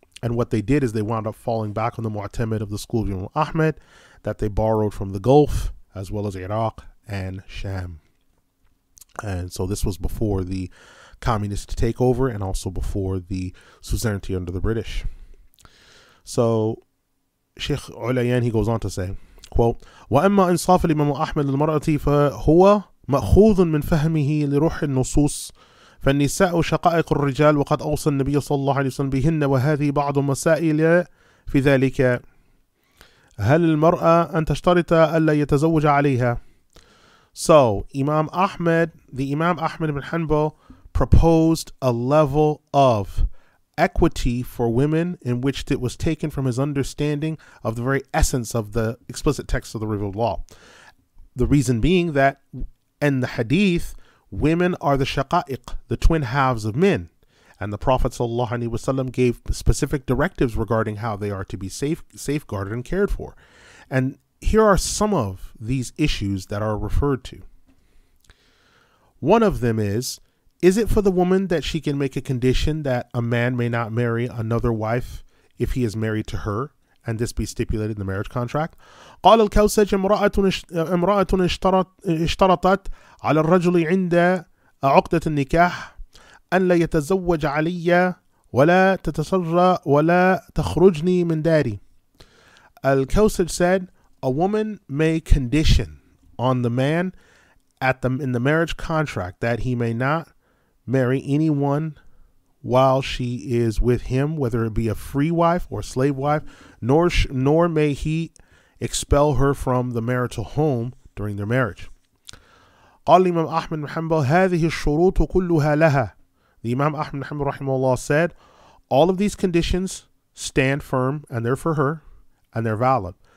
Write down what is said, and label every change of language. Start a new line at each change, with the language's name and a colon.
English: And what they did is they wound up falling back on the Mu'tamid of the school of Imam Ahmad that they borrowed from the Gulf, as well as Iraq and Sham. And so this was before the communist takeover and also before the suzerainty under the British. So Shaykh Ulayyan, he goes on to say, quote,
Arabic: وَأَمَّا إِنصَافَ الْإِمَامُ أَحْمَدُ لِلْمَرْأَةِ فَهُوَ مَأْخُوذٌ مِنْ فَهْمِهِ لِرُوحِ النُّصُوصِ فَالنِّسَاءُ شَقَائِقُ الرِّجَالِ وَقَدْ أَوْصَى النَّبِيُّ صَلَّى اللَّهُ عَلَيْهِ وَسَلَّمَ بِهِنَّ وَهَذِهِ بَعْضُ مَسَائِلِ فِي ذَلِكَ هَلْ الْمَرْأَةُ أَنْ تَشْتَرِطَ أَلَّا يَتَزَوَّجَ عَلَيْهَا.
English: So Imam Ahmad, the Imam Ahmad ibn Hanbal, proposed a level of equity for women in which it was taken from his understanding of the very essence of the explicit text of the revealed law. The reason being that in the hadith, women are the shaqa'iq, the twin halves of men. And the Prophet ﷺ gave specific directives regarding how they are to be safeguarded and cared for. And here are some of these issues that are referred to. One of them is it for the woman that she can make a condition that a man may not marry another wife if he is married to her, and this be stipulated in the marriage contract?
Arabic: قال الكوسج امرأة اشترطت على الرجل عند عقدة النكاح أن لا يتزوج علي ولا تتسرى ولا تخرجني من داري.
English: الكوسج said, a woman may condition on the man in the marriage contract that he may not marry anyone while she is with him, whether it be a free wife or slave wife, nor may he expel her from the marital home during their marriage.
Arabic: قال الإمام أحمد حنبل هذه الشروط كلها لها.
English: The Imam Ahmad رحمه الله said, all of these conditions stand firm and they're for her and they're valid.